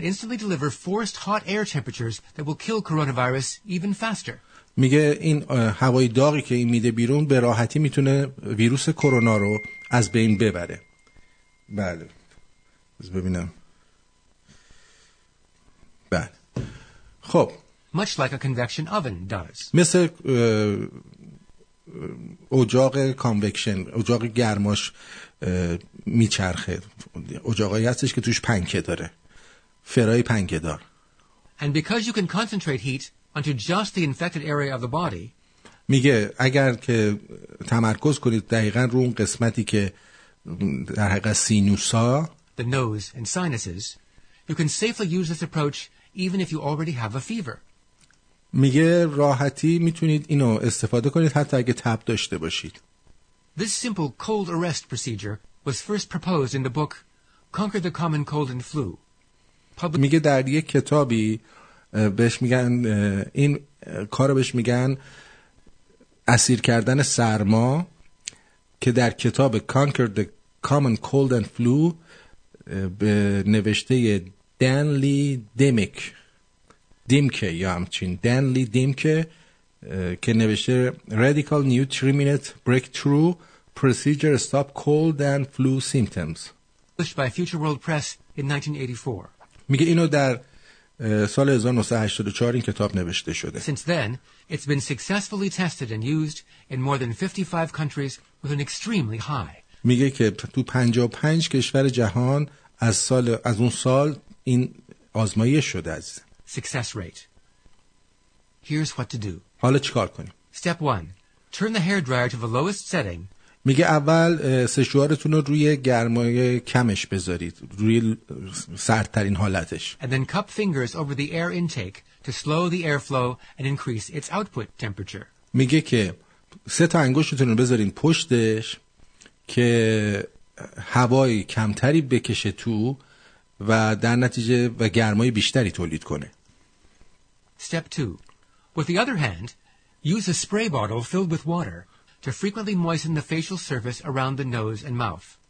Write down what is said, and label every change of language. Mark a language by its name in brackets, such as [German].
[English] But instantly deliver forced hot air temperatures that will kill coronavirus even faster. [Persian] میگه این هوای داغی که این میده بیرون به راحتی میتونه ویروس کرونا رو از بین ببره. بله. بس ببینم. بله. خب. [English] Much like a convection oven does. [Persian] مثل اجاق کانوکشن، اجاق گرماش میچرخه. اجاقی هستش که توش پنکه داره. فرای پنکه دار. [English] And because you can concentrate heat onto just the infected area of the body. [Persian] میگه اگر که تمرکز کنید دقیقاً رو اون قسمتی که در حقیقت سینوسا [English] the nose and sinuses you can safely use this approach even if you already have a fever. [Persian] میگه راحتی میتونید اینو استفاده کنید حتی اگه تب داشته باشید. [English] This simple cold arrest procedure was first proposed in the book Conquer the Common Cold and Flu. [Persian] میگه در یک کتابی بهش میگن این کارو بهش میگن اسیر کردن سرما که در کتاب Conquer the Common Cold and Flu به نوشته دنلی دیمکه یا همچین دنلی دیمکه که نوشته Radical New 3-Minute Breakthrough Procedure Stop Cold and Flu Symptoms [English] published by Future World Press in 1984. [Persian] میگه اینو در سال 1984 این کتاب نوشته شده. [English] Since then, it's been successfully tested and used in more than 55 countries with an extremely high. [Persian] میگه که تو 55 کشور جهان از اون سال این آزمایش شده است. [English] Success rate. Here's what to do. [Persian] حالا چیکار کنیم؟ [English] Step 1. Turn the hair dryer to the lowest setting. [Persian] میگه اول سشوارتون رو روی گرمای کمش بذارید روی سردترین حالتش. [English] And then cup fingers over the air intake to slow the airflow and increase its output temperature. [Persian] میگه که سه تا انگشتتون رو بذارین پشتش که هوای کمتری بکشه تو و در نتیجه و گرمای بیشتری تولید کنه. [English] Step 2. With the other hand, use a spray bottle filled with water to frequently moisten the facial surface around the nose and mouth.